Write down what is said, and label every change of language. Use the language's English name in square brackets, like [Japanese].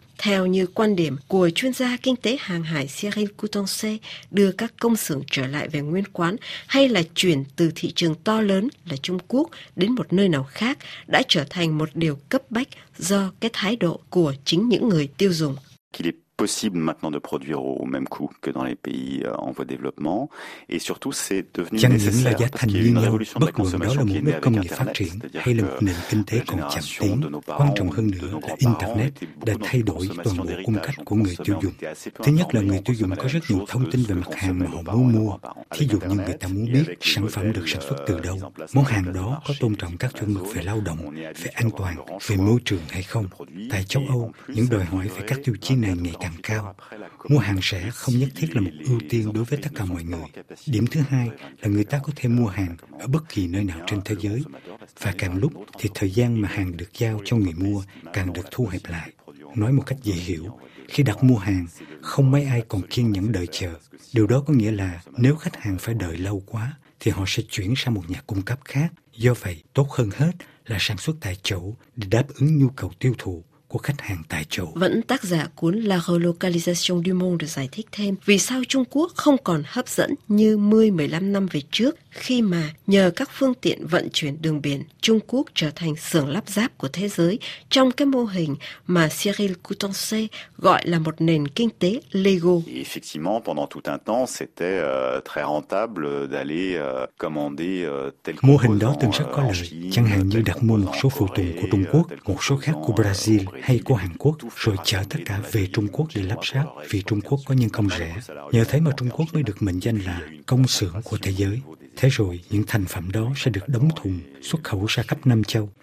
[Vietnamese] Theo như quan điểm của chuyên gia kinh tế hàng hải Cyril Coutancé, đưa các công xưởng trở lại về nguyên quán hay là chuyển từ thị trường to lớn là Trung Quốc đến một nơi nào khác đã trở thành một điều cấp bách do cái thái độ của chính những người tiêu dùng. [French] possible maintenant de produire au même coût que dans les pays en voie de développement. Et surtout, c'est devenu nécessaire parce qu'il y a une révolution de la consommation qui est née avec Internet. C'est-à-dire que la génération de nos parents, de nos grands-parents, était beaucoup dans la consommation d'héritage. On consommait, on était assez peu informés, on consommait la même chose que ce que consommaient nos parents et nos grands-parents. Avec Internet, et avec les modèles mis en place dans les supermarchés, dans les zones, on est habitué à faire un grand choix de produits et en plus, [Vietnamese] đòi hỏi về các tiêu chí này ngày càng cao. Mua hàng rẻ không nhất thiết là một ưu tiên đối với tất cả mọi người. Điểm thứ hai là người ta có thể mua hàng ở bất kỳ nơi nào trên thế giới, và càng lúc thì thời gian mà hàng được giao cho người mua càng được thu hẹp lại. Nói một cách dễ hiểu, khi đặt mua hàng, không mấy ai còn kiên nhẫn đợi chờ. Điều đó có nghĩa là nếu khách hàng phải đợi lâu quá, thì họ sẽ chuyển sang một nhà cung cấp khác. Do vậy, tốt hơn hết là sản xuất tại chỗ để đáp ứng nhu cầu tiêu thụ của khách hàng tại chỗ. Vẫn tác giả cuốn La Relocalisation du Monde giải thích thêm vì sao Trung Quốc không còn hấp dẫn như 10-15 năm về trước, khi mà nhờ các phương tiện vận chuyển đường biển, Trung Quốc trở thành xưởng lắp ráp của thế giới trong cái mô hình mà Cyril Coutancé gọi là một nền kinh tế Lego. [French] Et effectivement, pendant tout un temps, c'était très rentable d'aller commander tel [Vietnamese] mô hình đó từng rất có lợi, chẳng hạn như đặt mua một số phụ tùng của Trung Quốc, một số khác của Brazil hay của Hàn Quốc, rồi chở tất cả về Trung Quốc để lắp ráp vì Trung Quốc có nhân công rẻ. Nhờ thế mà Trung Quốc mới được mệnh danh là công xưởng của thế giới. Thế rồi, những thành phẩm đó sẽ được đóng thùng, xuất khẩu ra khắp năm châu.